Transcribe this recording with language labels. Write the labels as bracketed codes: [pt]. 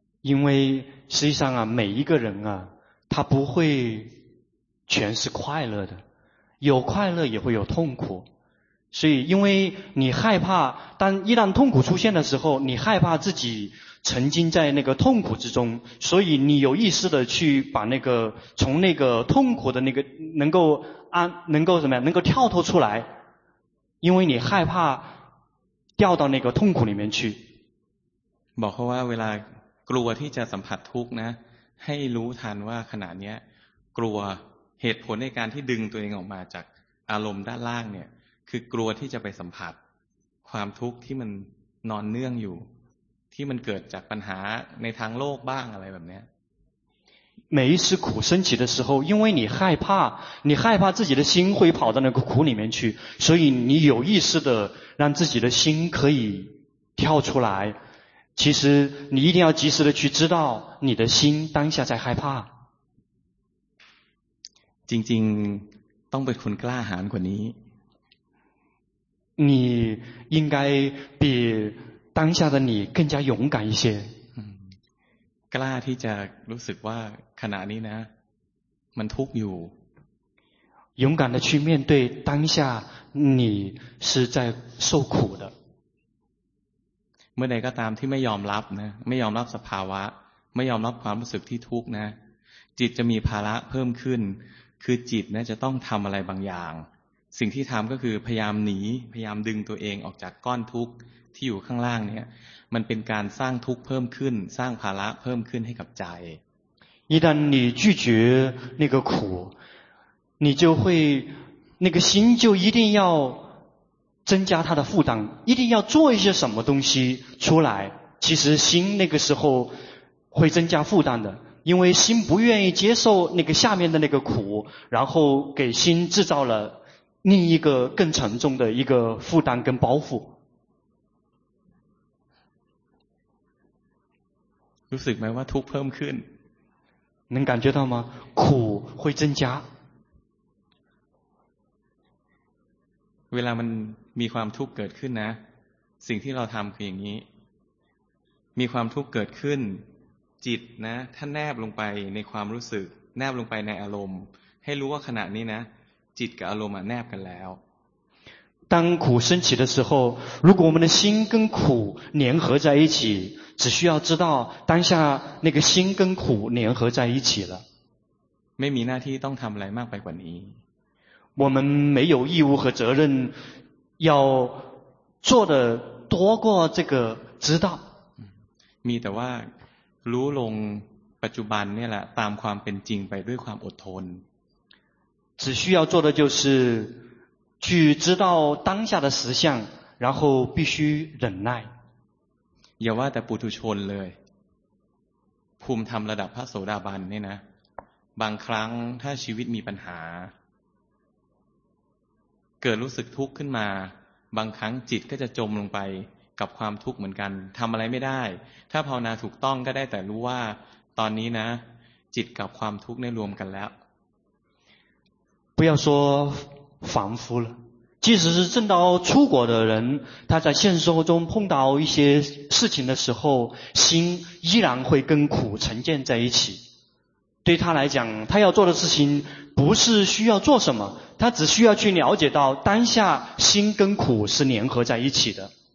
[zh] 因为实际上啊每一个人啊他不会全是快乐的有快乐也会有痛苦所以因为你害怕当一旦痛苦出现的时候你害怕自己曾经在那个痛苦之中所以你有意识的去把那个从那个痛苦的那个能够安能够怎么样能够跳脱出来因为你害怕掉到那个痛苦里面去 [th] บอกเขาว่าเวลากลัวที่จะสัมผัสทุกข์นะให้รู้ทันว่าขณะนี้กลัวเหตุผลในการที่ดึงตัวเองออกมาจากอารมณ์ด้านล่างเนี่ยคือกลัวที่จะไปสัมผัสความทุกข์ที่มันนอนเนื่องอยู่ที่มันเกิดจากปัญหาในทางโลกบ้างอะไรแบบนี้ [zh] 每一次苦升起的时候因为你害怕你害怕自己的心会跑到那个苦里面去所以你有意识的让自己的心可以跳出来其实你一定要及时的去知道你的心当下在害怕 [th] จริงๆต้องเป็นคนกล้าหาญกว่านี้ [zh] 你应该比当下的你更加勇敢一些 [th] กล้าที่จะรู้สึกว่าขณะนี้นะมันทุกข์อยู่ [zh] 勇敢的去面对当下你是在受苦的 [th] เมื่อใดก็ตามที่ไม่ยอมรับนะไม่ยอมรับสภาวะไม่ยอมรับความรู้สึกที่ทุกข์นะจิตจะมีภาระเพิ่มขึ้นคือจิตนะจะต้องทำอะไรบางอย่างสิ่งที่ทำก็คือพยายามหนีพยายามดึงตัวเองออกจากก้อนทุกข์ที่อยู่ข้างล่างเนี่ยมันเป็นการสร้างทุกข์เพิ่มขึ้นสร้างภาระเพิ่มขึ้นให้กับใจ [zh] 一旦你拒绝那个苦你就会那个心就一定要增加它的负担一定要做一些什么东西出来其实心那个时候会增加负担的因为心不愿意接受那个下面的那个苦然后给心制造了另一个更沉重的一个负担跟包袱 [th] รู้สึกไหมว่าทุกข์เพิ่มขึ้น [zh] 能感觉到吗苦会增加 [th] เวลามันมีความทุกข์เกิดขึ้นนะสิ่งที่เราทำคืออย่างนี้มีความทุกข์เกิดขึ้นจิตนะถ้าแนบลงไปในความรู้สึกแนบลงไปในอารมณ์ให้รู้ว่าขณะนี้นะจิตกับอารมณ์แนบกันแล้ว [zh] 当苦升起的时候如果我们的心跟苦粘合在一起只需要知道当下那个心跟苦粘合在一起了 [th] ไม่มีหน้าที่ต้องทำอะไรมากไปกว่านี้ [zh] 我们没有义务和责任要做的多过这个知道 [th] มีแต่ว่ารู้ลง ปัจจุบันนี่แหละตามความเป็นจริงไปด้วยความอดทน [zh] 只需要做的就是去知道当下的实相然后必须忍耐 [th] อย่าว่าแต่ปุถุชนเลยภูมิธรรมระดับพระโสดาบันนี่นะบางครั้งถ้าชีวิตมีปัญหาเกิดรู้สึกทุกข์ขึ้นมาบางครั้งจิตก็จะจมลงไปกับความทุกข์เหมือนกันทำอะไรไม่ได้ถ้าภาวนาถูกต้องก็ได้แต่รู้ว่าตอนนี้นะจิตกับความทุกข์ได้รวมกันแล้ว [zh] 不要说凡夫了即使是正道出果的人他在现实生活中碰到一些事情的时候心依然会跟苦沉淀在一起对他来讲他要做的事情不是需要做什么他只需要去了解到当下心跟苦是联合在一起的